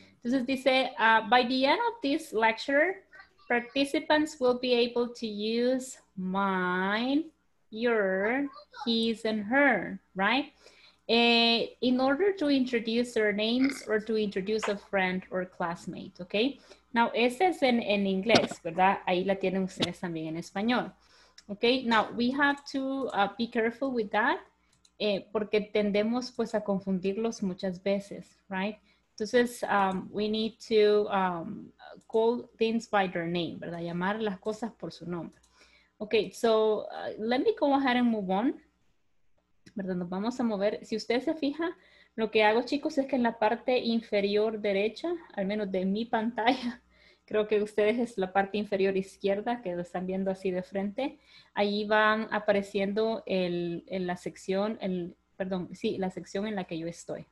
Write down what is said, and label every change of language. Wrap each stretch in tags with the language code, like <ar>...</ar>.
<es>Entonces dice,</es> <en>by the end of this lecture, participants will be able to use mine, your, his, and her, right? In order to introduce their names or to introduce a friend or classmate, okay?</en> <es>Now, ese es en inglés, ¿verdad? Ahí la tienen ustedes también en español.</es> <en>Okay, now we have to be careful with that.</en> <es>Porque tendemos pues a confundirlos muchas veces, right?</es> <en>Entonces, we need to call things by their name, ¿verdad?</en> <es>Llamar las cosas por su nombre.</es> <en>Okay, so let me go ahead and move on.</en> <es>¿Verdad? Nos vamos a mover. Si usted se fija, lo que hago, chicos, es que en la parte inferior derecha, al menos de mi pantalla, creo que ustedes es la parte inferior izquierda que lo están viendo así de frente. Ahí van apareciendo la sección en la que yo estoy.</es>